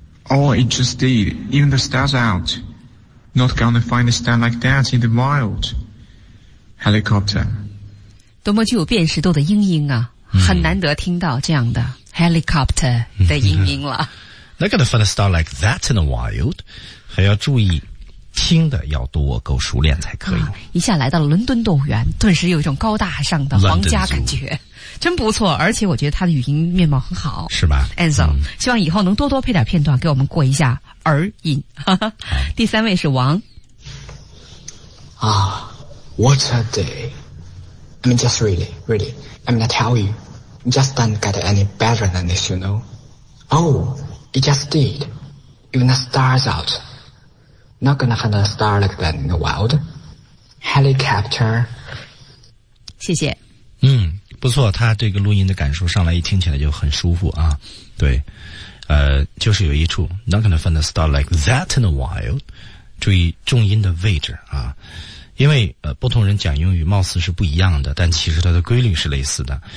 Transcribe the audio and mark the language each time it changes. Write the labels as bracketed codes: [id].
[en] Oh, it just did, even the stars out. Not gonna find a star like that in the wild. Helicopter. [zh] 多么具有辨识度的英音啊，很难得听到这样的 helicopter 的英音了。 [en] Not gonna find a star like that in the wild. [zh] 还要注意。听的要多够熟练才可以、啊、一下来到了伦敦动物园，顿时有一种高大上的皇家感觉，真不错。而且我觉得他的语音面貌很好，是吧 Ansel、希望以后能多多配点片段给我们过一下耳瘾。第三位是王。 [en] What a day. I mean, just really, really, I mean, I tell you, just don't get any better than this, you know. Oh, it just did. Even the stars outNot gonna find a star like that in the wild. Helicopter. [zh] 谢谢。不错，他这个录音的感受上来一听起来就很舒服啊。对。就是有一处 [en] ,not gonna find a star like that in the wild. [zh] 注意重音的位置啊。因为不同人讲英语貌似是不一样的，但其实它的规律是类似的。